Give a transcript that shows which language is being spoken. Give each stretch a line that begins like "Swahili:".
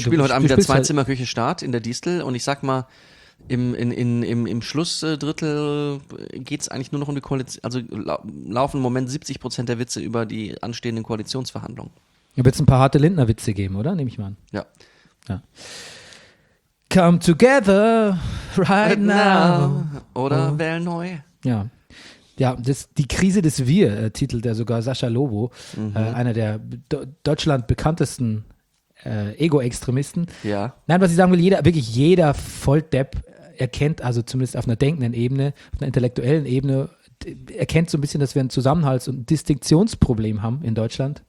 German: Ich spiele heute Abend wieder Zwei-Zimmer-Küche Start in der Distel und ich sag mal, im Schlussdrittel geht es eigentlich nur noch um die Koalition, also laufen im Moment 70% der Witze über die anstehenden Koalitionsverhandlungen. Da wird es ein paar harte Lindner-Witze geben, oder? Nehme ich mal an. Ja. Ja.
English: Come together right now.
German: Oder wähl neu. Ja. Ja, die Krise des Wir, titelt er sogar Sascha Lobo, einer der Deutschland bekanntesten Ego-Extremisten. Ja. Nein, was ich sagen will, jeder Volldepp erkennt, also zumindest auf einer denkenden Ebene, auf einer intellektuellen Ebene, erkennt so ein bisschen, dass wir ein Zusammenhalts- und Distinktionsproblem haben in Deutschland.